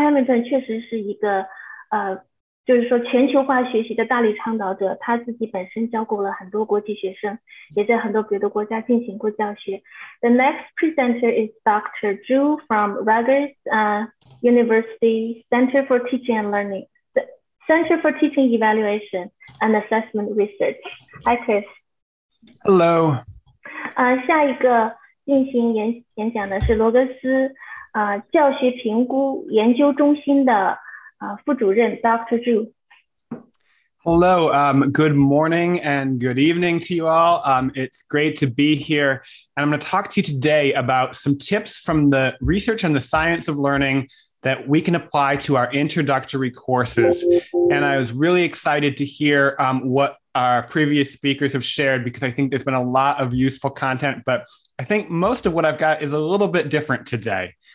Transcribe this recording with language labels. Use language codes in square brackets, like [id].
[zh] Hamilton 确实是一个就是说全球化学习的大力倡导者，他自己本身教过了很多国际学生，也在很多别的国家进行过教学。 [en] The next presenter is Dr. Zhu from Rutgers University Center for Teaching and Learning, the Center for Teaching Evaluation and Assessment Research. Hi, Chris. Hello. [zh] 下一个进行演讲的是罗格斯教学评估研究中心的副主任 Dr. Zhu. [en] Hello, Hello, good morning and good evening to you all. It's great to be here. And I'm going to talk to you today about some tips from the research and the science of learning that we can apply to our introductory courses. And I was really excited to hear what our previous speakers have shared, because I think there's been a lot of useful content, but I think most of what I've got is a little bit different today.